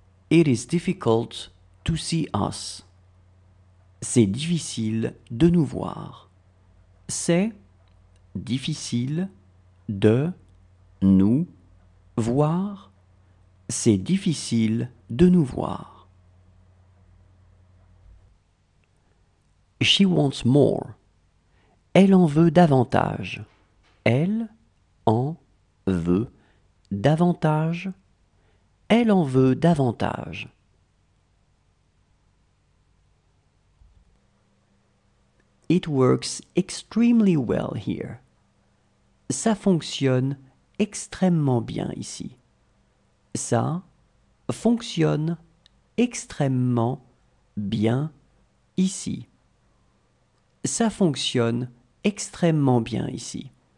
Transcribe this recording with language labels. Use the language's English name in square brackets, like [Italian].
[English] It is difficult to see us. [French] C'est difficile de nous voir. C'est difficile de nous voir. C'est difficile de nous voir. She wants more. Elle en veut davantage. Elle en veut davantage. Elle en veut davantage. [English] It works extremely well here. [French] Ça fonctionne extrêmement bien ici. Ça fonctionne extrêmement bien ici. Ça fonctionne extrêmement bien ici.